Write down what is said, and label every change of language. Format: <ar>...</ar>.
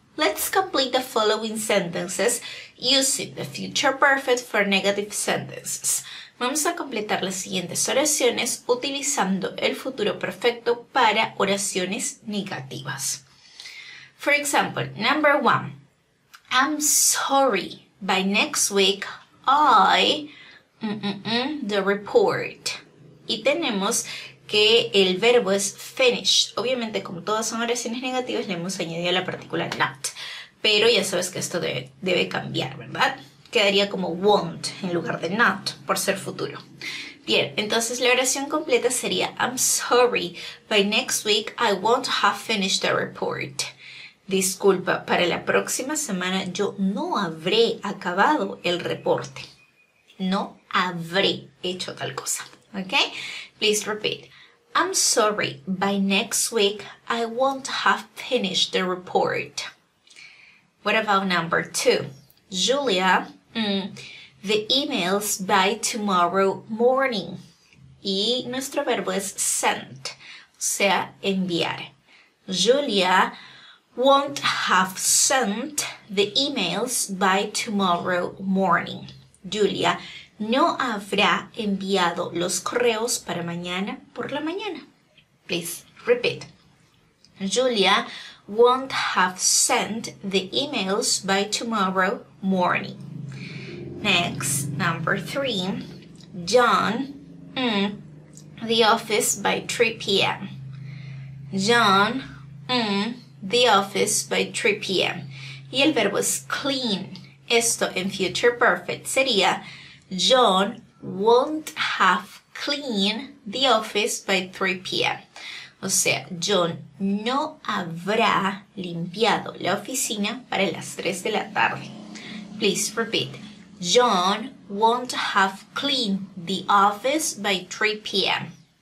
<en>Let's complete the following sentences using the future perfect for negative sentences.</en> <es>Vamos a completar las siguientes oraciones utilizando el futuro perfecto para oraciones negativas.</es> <en>For example, number one, I'm sorry, by next week I... the report.</en> <es>Y tenemos que el verbo es finish. Obviamente, como todas son oraciones negativas, le hemos añadido la partícula not. Pero ya sabes que esto debe cambiar, ¿verdad? Quedaría como won't en lugar de not, por ser futuro. Bien, entonces la oración completa sería:</es> <en>I'm sorry, by next week I won't have finished the report.</en> <es>Disculpa, para la próxima semana yo no habré acabado el reporte. No habré hecho tal cosa. ¿Ok?</es> <en>Please repeat. I'm sorry, by next week I won't have finished the report. What about number two? Julia, the emails by tomorrow morning.</en> <es>Y nuestro verbo es sent, o sea, enviar.</es> <en>Julia won't have sent the emails by tomorrow morning.</en> <es>Julia no habrá enviado los correos para mañana por la mañana.</es> <en>Please repeat. Julia won't have sent the emails by tomorrow morning. Next, number three. John, the office by 3 p.m. John, the office by 3 p.m.</en> <es>Y el verbo es clean. Esto en future perfect sería:</es> <en>John won't have cleaned the office by 3 p.m.</en> <es>O sea, John no habrá limpiado la oficina para las 3 de la tarde.</es> <en>Please repeat. John won't have cleaned the office by 3 p.m.</en>